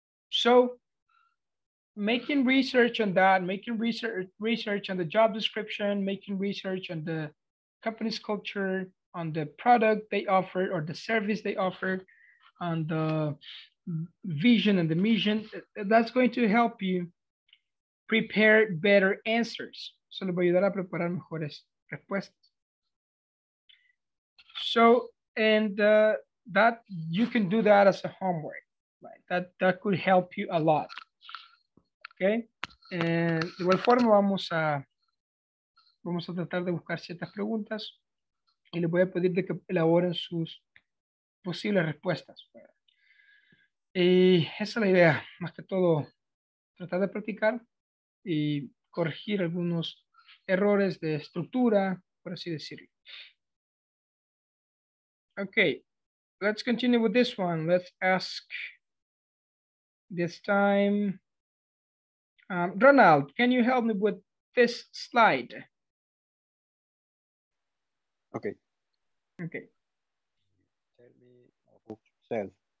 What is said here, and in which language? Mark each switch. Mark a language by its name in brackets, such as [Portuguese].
[English] So making research on that, making research on the job description, making research on the company's culture, on the product they offer or the service they offer, on the vision and the mission, that's going to help you prepare better answers. [Spanish] Eso les va a ayudar a preparar mejores respuestas. [English] So, that you can do that as a homework, right? That could help you a lot. Okay. [Spanish] De igual forma, vamos a tratar de buscar ciertas preguntas y les voy a pedir de que elaboren sus posibles respuestas. Y esa es la idea, más que todo, tratar de practicar y corregir algunos errores de estructura, por así decirlo. [English] Okay, let's continue with this one. Let's ask this time, Ronald, can you help me with this slide? Okay. Tell me about yourself.